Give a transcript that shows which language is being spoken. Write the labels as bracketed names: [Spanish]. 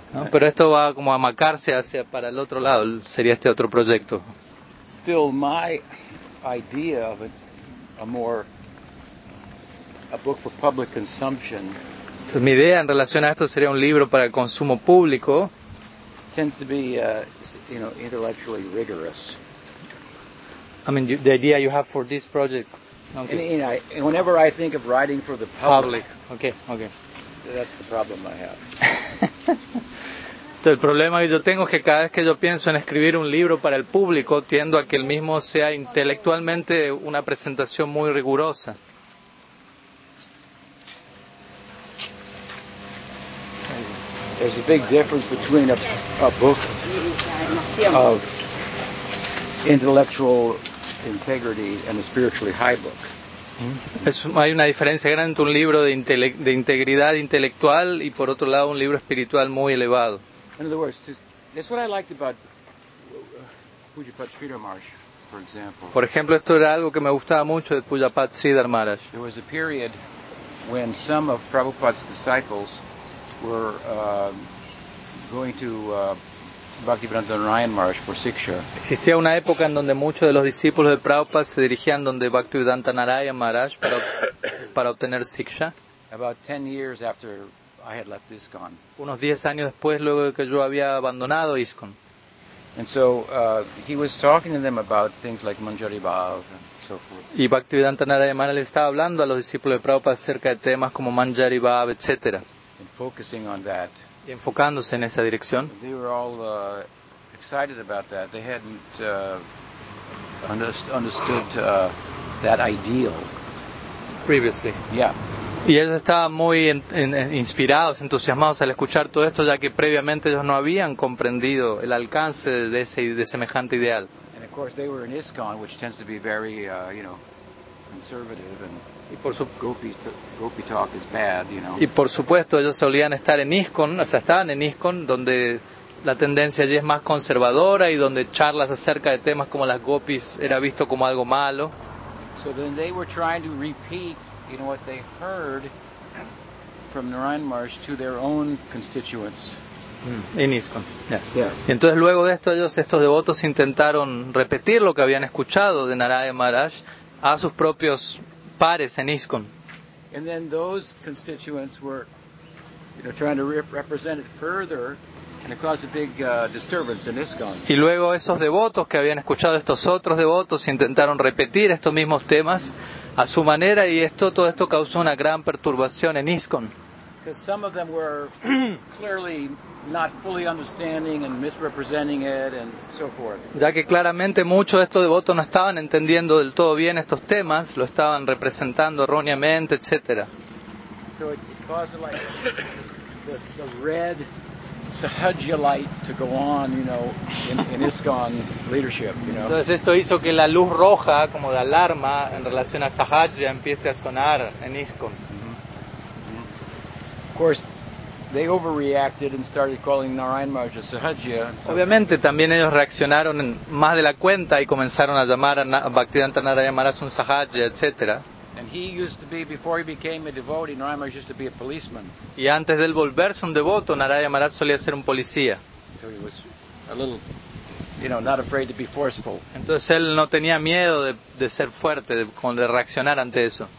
[Spanish] Pero esto va como a macarse hacia para el otro lado, sería este otro proyecto. [English] Still, my idea of it. A book for public consumption. So, [Spanish] mi idea en relación a esto sería un libro para el consumo público. [English] Tends to be, intellectually rigorous. I mean, the idea you have for this project. Okay. And whenever I think of writing for the public. Okay. That's the problem I have. [Spanish] El problema que yo tengo es que cada vez que yo pienso en escribir un libro para el público, tiendo a que el mismo sea intelectualmente una presentación muy rigurosa. [English] There's a big difference between a book of intellectual integrity and a spiritually high book. [Spanish] Hay una diferencia grande entre un libro de integridad intelectual y por otro lado un libro espiritual muy elevado. [English] In other words, that's what I liked about Pujapat Sridhar Maharaj, for example. [Spanish] Por ejemplo, esto era algo que me gustaba mucho de Pujapat Sridhar Maharaj. [English] There was a period when some of Prabhupada's disciples were going to Bhaktivedanta Narayan Maharaj for siksha. [Spanish] Existía una época en donde muchos de los discípulos de Prabhupada se dirigían donde Bhaktivedanta Narayan Maharaj para obtener siksha. [English] About 10 years after I had left ISKCON. [Spanish] Unos 10 años después, luego de que yo había abandonado ISKCON. [English] And so he was talking to them about things like Manjari Bhav and so forth. [Spanish] Y Bhaktivedanta Narayan Maharaj estaba hablando a los discípulos de Prabhupada acerca de temas como Manjari Bhav, etc. [English] And focusing on that. [Spanish] Y enfocándose en esa dirección. [English] They were all excited about that. They hadn't understood that ideal. Previously. Yeah. [Spanish] Y ellos estaban muy inspirados, entusiasmados al escuchar todo esto, ya que previamente ellos no habían comprendido el alcance de semejante ideal. [English] And of course they were in ISKCON, which tends to be very, conservative and Gopi talk is bad, you know. [Spanish] Y por supuesto ellos solían estar en ISKCON, o sea, estaban en ISKCON, donde la tendencia allí es más conservadora y donde charlas acerca de temas como las gopis era visto como algo malo. [English] So then they were trying to repeat, you know, what they heard from Narayan Maharaj to their own constituents. In ISKCON. Yeah. [Spanish] Entonces luego de esto ellos, estos devotos, intentaron repetir lo que habían escuchado de Narayan Maharaj a sus propios pares en ISKCON. [English] And then those constituents were, you know, trying to represent it further. And it caused a big disturbance in ISKCON. [Spanish] Y luego esos devotos que habían escuchado estos otros devotos intentaron repetir estos mismos temas a su manera y todo esto causó una gran perturbación en ISKCON. [English] Because some of them were clearly not fully understanding and misrepresenting it and so forth. [Spanish] Ya que claramente muchos de estos devotos no estaban entendiendo del todo bien estos temas, lo estaban representando erróneamente, etc. [English] So it caused like the red Sahaja light to go on, you know, in ISKCON leadership, you know. [Spanish] Entonces esto hizo que la luz roja como de alarma en relación a Sahaja empiece a sonar en ISKCON. Mm-hmm. [English] Of course, they overreacted and started calling Narayan Maharaj a Sahaja. [Spanish] Obviamente también ellos reaccionaron más de la cuenta y comenzaron a llamar a Bhaktivedanta Narayan Maharaj un Sahaja, etc. [English] And he used to be, before he became a devotee, Narayan Maharaj used to be a policeman. [Spanish] Y antes de él volverse un devoto, Narayan Maharaj solía ser un policía. [English] So he was a little, you know, not afraid to be forceful. [Spanish] Entonces él no tenía miedo de ser fuerte, de reaccionar ante eso.